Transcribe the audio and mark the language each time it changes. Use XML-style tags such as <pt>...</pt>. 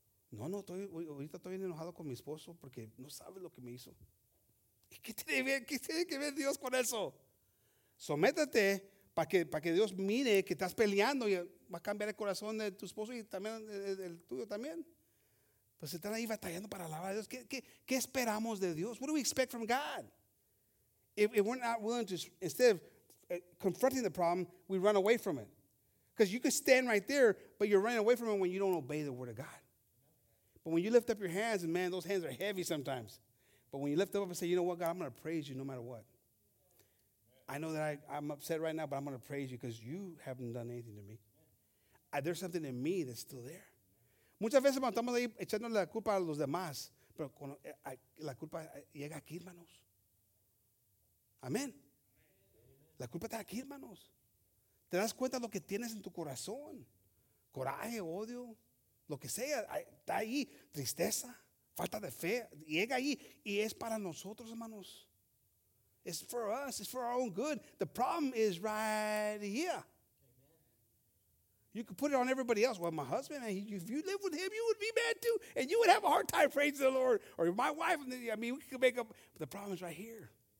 <es>No, ahorita estoy bien enojado con mi esposo porque no sabe lo que me hizo. ¿Qué tiene que ver Dios con eso? Sométete para que Dios mire que estás peleando y va a cambiar el corazón de tu esposo y también el tuyo también. Pues están ahí batallando para alabar a Dios. ¿Qué esperamos de Dios?</es> <en>What do we expect from God? If we're not willing to, instead of confronting the problem, we run away from it. Because you can stand right there, but you're running away from it when you don't obey the word of God. But when you lift up your hands, and man, those hands are heavy sometimes. But when you lift them up and say, you know what, God, I'm going to praise you no matter what. I know that I'm upset right now, but I'm going to praise you because you haven't done anything to me. There's something in me that's still there.</en> <es>Muchas veces, hermanos, estamos ahí echándole la culpa a los demás. Pero cuando la culpa llega aquí, hermanos. Amén. La culpa está aquí, hermanos. Te das cuenta de lo que tienes en tu corazón. Coraje, odio. Lo que sea, está ahí, tristeza, falta de fe, llega ahí. Y es para nosotros, hermanos.</es> <en>It's for us, it's for our own good. The problem is right here. You could put it on everybody else. Well, my husband, man, if you live with him, you would be mad too. And you would have a hard time praising the Lord. Or my wife, I mean, we could make up. But the problem is right here.</en>